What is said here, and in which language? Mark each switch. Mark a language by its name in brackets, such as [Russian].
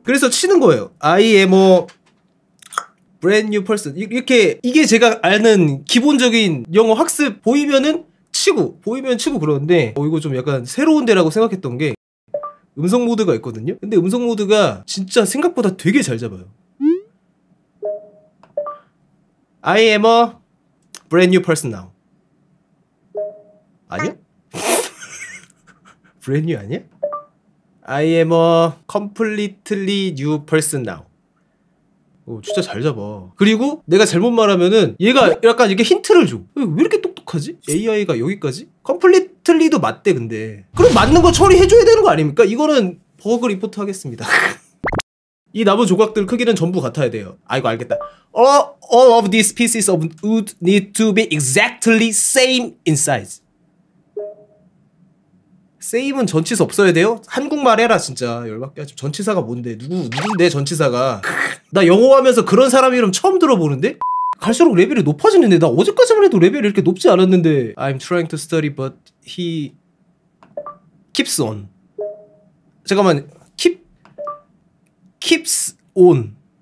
[Korean] 그래서 치는 거예요. [English] I am a brand new person. [Korean] 이렇게 이게 제가 아는 기본적인 영어 학습. 보이면 치고 그러는데 이거 좀 약간 새로운 데라고 생각했던 게 음성 모드가 있거든요. 근데 음성 모드가 진짜 생각보다 되게 잘 잡아요. [English] I am a brand new person now. [Korean] 아니야? [English] brand new [Korean] 아니야? [English] I am a completely new person now. [Korean] 오, 진짜 잘 잡아. 그리고 내가 잘못 말하면은 얘가 약간 이렇게 힌트를 줘. 왜 이렇게 똑똑하지? AI가 여기까지? Completely도 맞대 근데. 그럼 맞는 거 처리해줘야 되는 거 아닙니까? 이거는 버그 리포트 하겠습니다. 이 나무 조각들 크기는 전부 같아야 돼요. 아이고 알겠다. [English] All of these pieces of wood need to be exactly same in size. [Korean] Same은 전치사 없어야 돼요? 한국말 해라 진짜 열받게 하지. 전치사가 뭔데? 누구인데 전치사가? 나 영어하면서 그런 사람 이름 처음 들어보는데? 갈수록 레벨이 높아지는데 나 어제까지만 해도 레벨이 이렇게 높지 않았는데. [English] I'm trying to study but he keeps on. 잠깐만 keeps on.